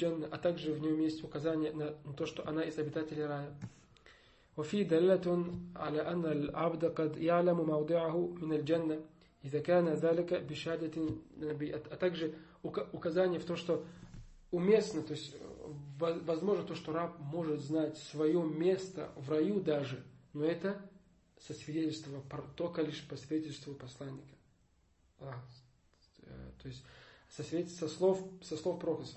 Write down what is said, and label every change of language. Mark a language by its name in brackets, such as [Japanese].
[Russian] А также в нем есть указание на то, что она из обитателей рая. [Arabic] وفي دلالة على أن العبد قد يعلم موضعه من الجنة إذا كان ذلك بشهادة النبي. [Russian] А также указание в том, что уместно, то есть возможно то, что раб может знать свое место в раю даже, Но это со свидетельства, только лишь по свидетельству посланника. То есть со свидетельства со слов пророка.